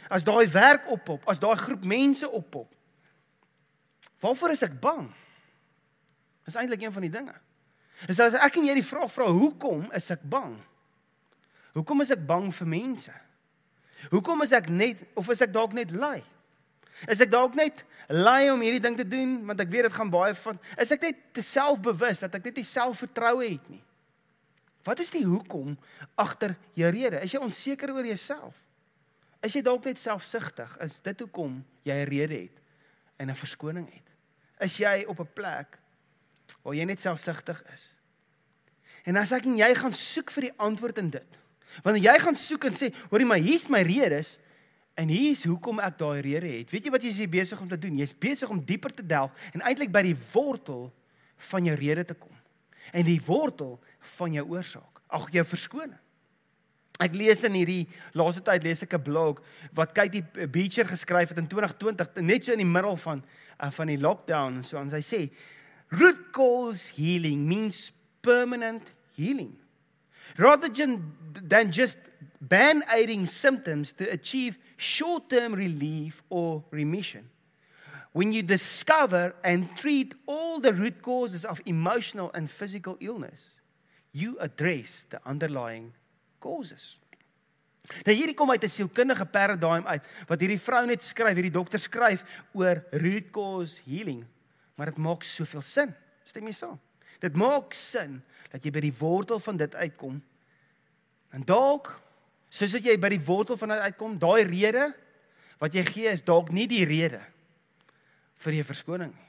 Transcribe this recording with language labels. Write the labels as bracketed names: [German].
[Afrikaans] As daai werk oppop, as daai groep mense oppop. Waarvoor is ek bang? Is eintlik een van die dinge. Is as ek en jy die vraag vra, hoekom is ek bang? Hoekom is ek bang vir mense? Hoekom is ek net, of is ek dalk net lui? Is ek dalk net lui om hierdie ding te doen, want ek weet het gaan baie van, is ek net te selfbewus, dat ek net die selfvertroue het nie? Wat is die hoekom agter jou rede? Is jy onseker oor jouself? Is jy dalk net selfsugtig? Is dit hoekom jy 'n rede het en 'n verskoning het? Is jy op 'n plek waar jy net selfsugtig is? En as ek en jy gaan soek vir die antwoord in dit, want jy gaan soek en sê, hoorie, maar hier is my redes, en hier is hoekom ek daai rede het. Weet jy wat jy is besig om te doen? Jy is besig om dieper te delf en eintlik by die wortel van jou rede te kom. En die wortel van jou oorsaak. Ag, jou verskoning. Ek lees in hierdie laaste tyd lees ek 'n blog wat Katie Beecher geskryf het in 2020, net so in die middel van die lockdown en so, en sy sê, [English] root cause healing means permanent healing. Rather than just band-aiding symptoms to achieve short-term relief or remission. When you discover and treat all the root causes of emotional and physical illness, you address the underlying causes. [Afrikaans] Nou hierdie kom uit 'n sielkundige paradigm uit, wat hierdie vrou net skryf, hierdie dokter skryf, oor root cause healing. Maar dit maak soveel sin, stem jy saam? Dit maak sin, dat jy by die wortel van dit uitkom, en dalk, soos dat jy by die wortel van dit uitkom, daai rede, wat jy gee, is dalk nie die rede, vir jou verskoning.